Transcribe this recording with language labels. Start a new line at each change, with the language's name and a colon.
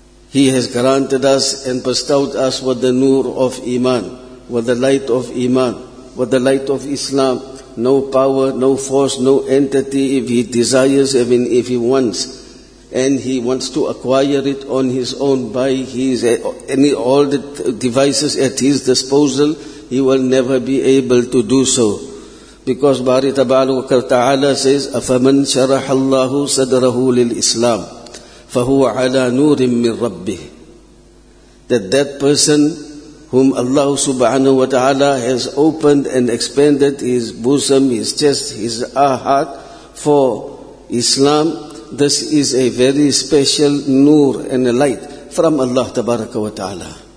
English: He has granted us and bestowed us with the nur of iman, with the light of iman, with the light of Islam. No power, no force, no entity, if He desires, even if He wants, and He wants to acquire it on His own by His any all the devices at His disposal, He will never be able to do so. Because Bari Ta'ala says,
Arabic: أَفَمَنْ شَرَحَ اللَّهُ صَدْرَهُ لِلْإِسْلَامِ فَهُوَ عَلَى نُورٍ مِّن رَبِّهِ.
English: That person whom Allah subhanahu wa ta'ala has opened and expanded his bosom, his chest, his heart for Islam, this is a very special nur and a light from Allah tabaraka wa ta'ala.